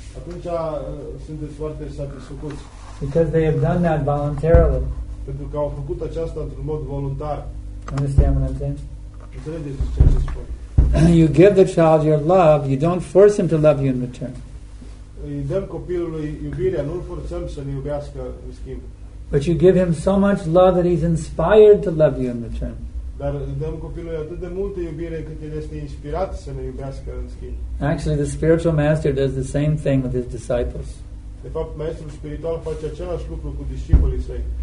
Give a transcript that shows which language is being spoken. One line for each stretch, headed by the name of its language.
Romanian: Atunci sunteți foarte satisfăcuți.
English: Because they have done that voluntarily.
Romanian: Pentru că au făcut aceasta într-un mod voluntar.
English: Understand what I'm saying?
Romanian: Înțelegeți ce se spune.
English: You give the child your love, you don't force him to love you in return.
Romanian: Îi dăm copilului iubirea, nu-l forțăm să ne iubească în schimb.
English: But you give him so much love that he's inspired to love you in return.
Romanian: Dar dăm copilului atât de multă iubire cât el este inspirat să ne iubească în schimb.
English: Actually, the spiritual master does the same thing with his disciples.
Romanian: De fapt, maestrul spiritual face același lucru cu discipolii săi.